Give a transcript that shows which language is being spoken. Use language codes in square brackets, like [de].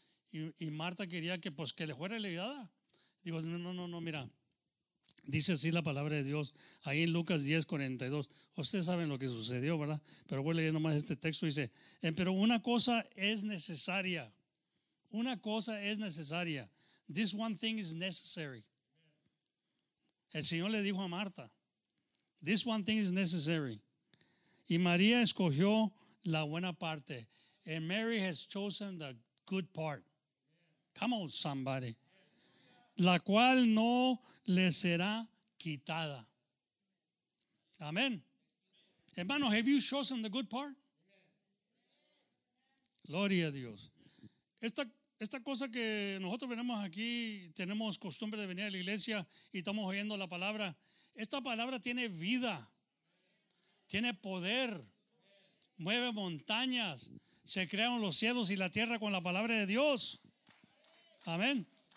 [es] Y Marta quería que pues que le fuera ayudada. Digo, no, mira, dice así la palabra de Dios, ahí en Lucas 10:42. Ustedes saben lo que sucedió, ¿verdad? Pero voy a leer nomás este texto, dice, pero una cosa es necesaria, una cosa es necesaria. [en] This one thing is necessary. [es] El Señor le dijo a Marta, [en] this one thing is necessary. [es] Y María escogió la buena parte. [en] And Mary has chosen the good part. Come on, somebody. [es] La cual no le será quitada. Amén. [en] Hermano, have you chosen the good part? [es] Gloria a Dios. Esta cosa que nosotros venimos aquí, tenemos costumbre de venir a la iglesia y estamos oyendo la palabra. Esta palabra tiene vida, tiene poder, mueve montañas, se crean los cielos y la tierra con la palabra de Dios. Amén.